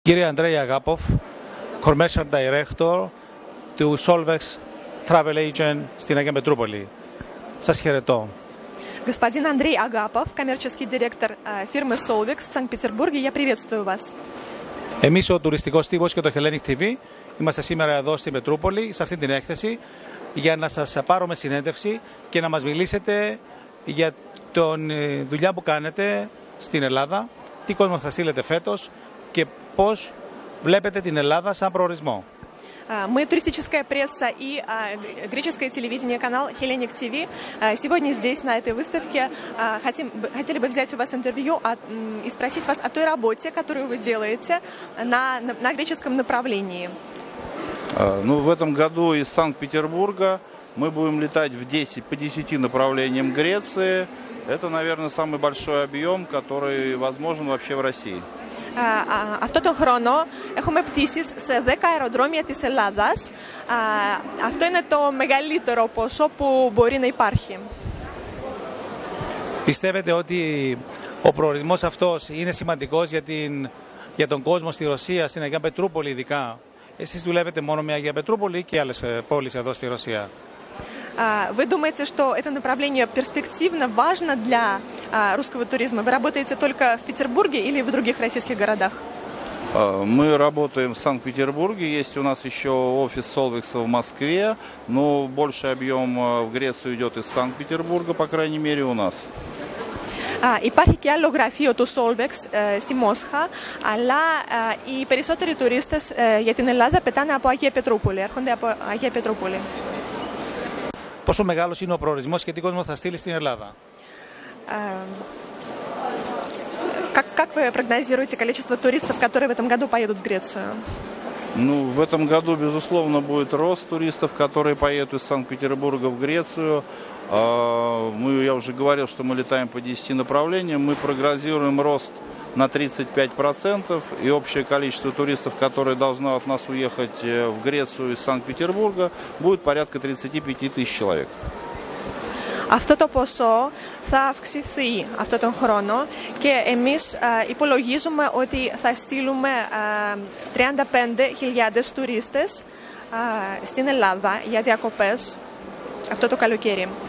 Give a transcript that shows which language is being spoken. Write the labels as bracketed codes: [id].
[el] Κύριε Αντρέι Αγάποφ, Commercial Director του Solvex Travel Agent στην Αγία Μετρούπολη. Σας χαιρετώ. [ru] Господин Андрей Агапов, коммерческий директор фирмы Solvex в Санкт-Петербурге, я приветствую вас. [el] Εμείς ο τουριστικός τύπος και το Hellenic TV είμαστε σήμερα εδώ στη Μετρούπολη, σε αυτή την έκθεση, για να σας πάρουμε συνέντευξη και να μας μιλήσετε για την δουλειά που κάνετε στην Ελλάδα, τι κόσμο θα στείλετε φέτος και πώς βλέπετε την Ελλάδα σαν προορισμό. [ru] Мы туристическая пресса и греческое телевидение, канал Hellenic TV. Сегодня здесь, на этой выставке, хотели бы взять у вас интервью и спросить вас о той работе, которую вы делаете на греческом направлении. Ну, в этом году из Санкт-Петербурга мы будем летать по 10 направлениям Греции. Это, наверное, самый большой объем, который возможен вообще в России. [el] Αυτό το χρόνο έχουμε πτήσεις σε 10 αεροδρόμια της Ελλάδας. Αυτό είναι το μεγαλύτερο ποσό που μπορεί να υπάρχει. Πιστεύετε ότι ο προορισμός αυτός είναι σημαντικός για τον κόσμο στη Ρωσία, στην Αγία Πετρούπολη ειδικά? Εσείς δουλεύετε μόνο με Αγία Πετρούπολη και άλλες πόλεις εδώ στη Ρωσία? [ru] Вы думаете, что это направление перспективно, важно для русского туризма? Вы работаете только в Петербурге или в других российских городах? Мы работаем в Санкт-Петербурге, есть у нас еще офис Solvex в Москве, но больший объем в Грецию идет из Санкт-Петербурга, по крайней мере, у нас. [el] Υπάρχει και άλλο γραφείο του Solvex στη Μόσχα, αλλά οι περισσότεροι τουρίστες για την Ελλάδα πετάνε από Αγία Πετρούπολη, έρχονται από Αγία Πετρούπολη. Πόσο μεγάλος είναι ο προορισμός και τι κόσμο θα στείλει στην Ελλάδα? [ru] Как вы прогнозируете количество туристов, которые в этом году поедут в Грецию? Ну, в этом году, безусловно, будет рост туристов, которые поедут из Санкт-Петербурга в Грецию. Я уже говорил, что мы летаем по 10 направлениям. Мы прогнозируем рост на 35%, и общее количество туристов, которые должны от нас уехать в Грецию из Санкт-Петербурга, будет порядка 35 тысяч человек. [el] Αυτό το ποσό θα αυξηθεί αυτόν τον χρόνο και εμείς υπολογίζουμε ότι θα στείλουμε 35.000 τουρίστες στην Ελλάδα για διακοπές αυτό το καλοκαίρι.